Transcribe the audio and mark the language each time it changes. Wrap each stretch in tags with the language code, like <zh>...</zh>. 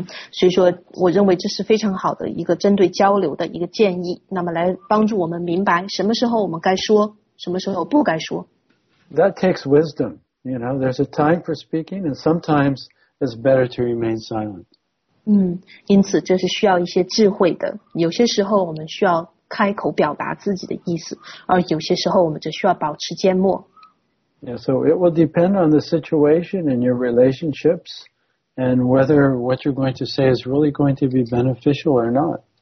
<zh>所以说，我认为这是非常好的一个针对交流的一个建议。那么来帮助我们明白什么时候我们该说，什么时候不该说。</zh> <en>That takes wisdom. You know, there's a time for speaking, and sometimes it's better to remain silent.</en> <zh>因此这是需要一些智慧的。有些时候我们需要开口表达自己的意思，而有些时候我们就需要保持缄默。</zh> <en>Yeah, so it will depend on the situation and your relationships, and whether what you're going to say is really going to be beneficial or not.</en>